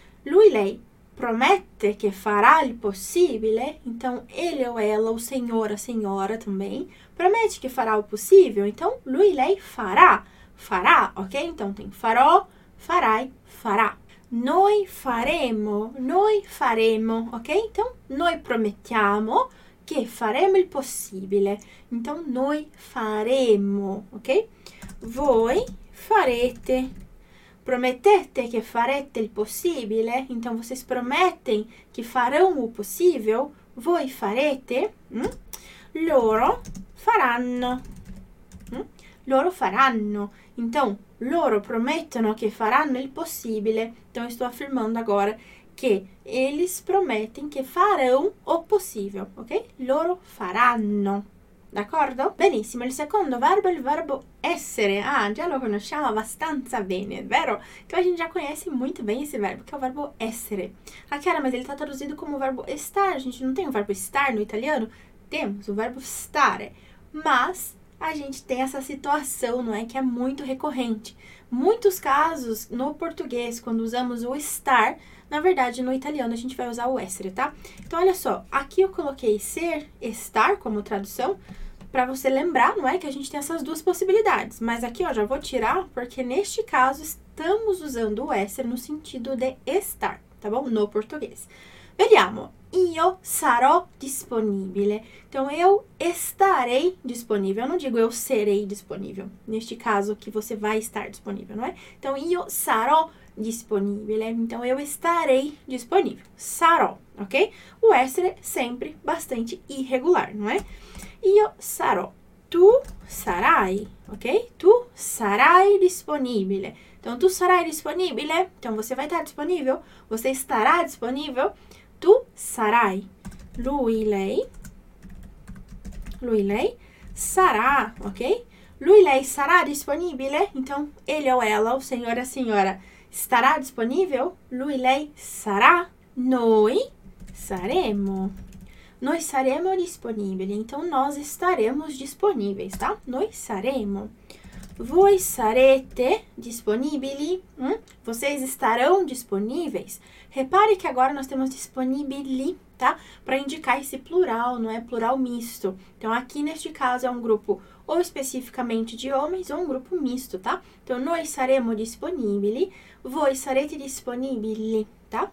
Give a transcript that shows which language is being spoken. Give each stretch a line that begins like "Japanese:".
Italian: Lui, lei promette che farà il possibile?
Portuguese: Então, ele ou ela, o senhor, a senhora também,
Italian: promette che farà
Portuguese: o possibile?
Italian: Então, lui, lei farà. Farà, ok? Então tem farò, farai, farà. Noi faremo, ok? Então noi promettiamo che faremo il possibile. Então noi faremo, ok? Voi farete. Promettete che farete il possibile?
Portuguese: Então vocês promettem che farão o possível?
Italian: Voi farete? Loro faranno. Loro faranno. Então, loro promettono che faranno il possibile.
Portuguese: Então, estou afirmando agora che eles prometem che farão o possível, ok?
Italian: Loro faranno. D'accordo? Benissimo, il secondo verbo è il verbo essere. Ah, già lo conosciamo abbastanza bene, vero?
Portuguese: Che a gente già conhece molto bene esse verbo, che è il verbo essere. Ah, cara, mas ele está traduzido como verbo estar. A gente non tem o verbo estar no italiano? Temos o verbo stare. Mas a gente tem essa situação, não é? Que é muito recorrente. Muitos casos no português, quando usamos o estar, na verdade no italiano a gente vai usar o essere, tá? Então olha só, aqui eu coloquei ser, estar como tradução, para você lembrar, não é? Que a gente tem essas duas possibilidades. Mas aqui, ó, já vou tirar, porque neste caso estamos usando o essere no sentido de estar, tá bom? No português. Vediamo.
Italian: Io sarò disponibile.
Portuguese: Então, eu estarei disponível. Eu não digo eu serei disponível. Neste caso, que você vai estar disponível, não é?
Italian: Então, io sarò disponibile.
Portuguese: Então, eu estarei disponível. Sarò, ok? O essere sempre bastante irregular, não é?
Italian: Io sarò. Tu sarai, ok? Tu sarai disponibile. Então, tu sarai disponibile.
Portuguese: Então, você vai estar disponível. Você estará disponível.
Italian: Tu sarai, lui, lei, sarà, ok? Lui, lei sarà disponibile?
Portuguese: Então, ele ou ela, o senhor e a senhora, estará disponível?
Italian: Lui, lei sarà, noi saremo disponibili.
Portuguese: Então, nós estaremos disponíveis, tá?
Italian: Noi saremo. Voi sarete disponibili?
Portuguese: Vocês estarão disponíveis? Repare que agora nós temos disponibili, tá? Para indicar esse plural, não é? Plural misto. Então, aqui neste caso é um grupo ou especificamente de homens ou um grupo misto, tá?
Italian: Então, noi saremo disponibili, voi sarete disponibili, tá?